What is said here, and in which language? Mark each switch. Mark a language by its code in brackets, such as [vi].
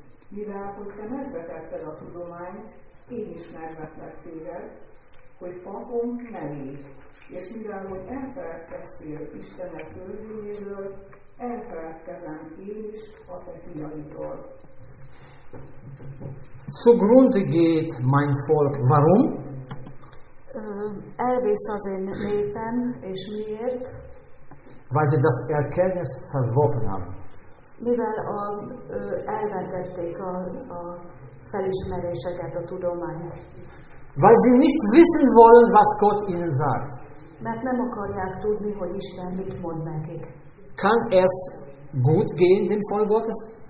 [hu] Mivel hogy te megvetetted a tudományt, én is megvetlek téged, hogy papon ne légy. És mivel hogy elfeledkeztél Istenek törvényéről, elfeledkezem én is a te fiaidról. [de] Zugrunde geht mein Volk. Warum? [hu] Elvész az én népem, és miért? [de] Weil sie das Erkenntnis verworfen haben. [hu] Mivel elvetették a felismeréseket, a tudományt. [de] Weil sie nicht wissen wollen, was Gott ihnen sagt. [hu] Mert nem akarják tudni, hogy Isten mit mond nekik. [de] Kann es gut gehen, dem Volk Gottes?